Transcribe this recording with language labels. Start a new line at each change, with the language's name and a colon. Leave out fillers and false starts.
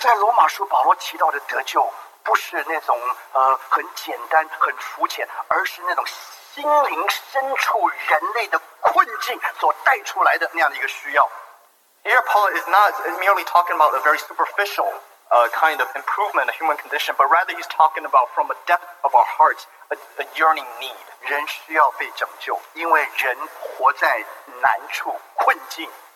Chinese: 在罗马书，保罗提到的得救。不是那种很简单、很肤浅，而是那种心灵深处人类的困境所带出来的那样的一个需要。
English: Here Paul is not merely talking about a very superficial kind of improvement, a human condition, but rather he's talking about from the depth of our hearts, a yearning need.
Chinese: 人需要被拯救，因为人活在难处、困境。